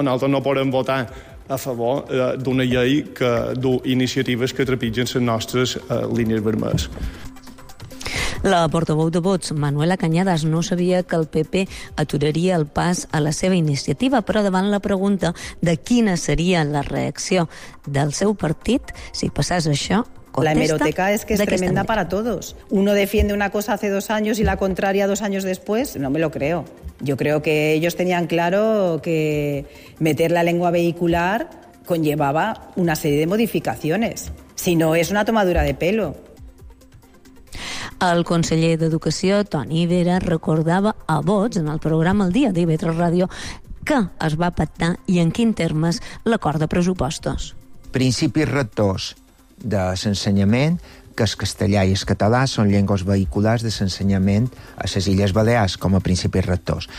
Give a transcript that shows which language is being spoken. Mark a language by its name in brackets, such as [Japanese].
[Catalan] Nosaltres no podem votar a favor d'una llei que du iniciatives que trepitgen les nostres línies vermelles. La portaveu de Vox, Manuela Cañadas, no sabia que el PP aturaria el pas a la seva iniciativa, però davant la pregunta de quina seria la reacció del seu partit si passés això, [Spanish] la hemeroteca es que es tremenda para todos. Uno defiende una cosa hace dos años y la contraria dos años después. No me lo creo. Yo creo que ellos tenían claro que meter la lengua vehicular conllevaba una serie de modificaciones. Si no, es una tomadura de pelo. [Catalan] El conseller d'Educació, Toni Vera, recordava a Vox en el programa El Dia d'IB3 Ràdio que es va pactar i en quin termes l'acord de pressupostos. Principis rectors de l'ensenyament, que el castellà i el català són llengües vehiculars de l'ensenyament a les Illes Balears com a principis rectors.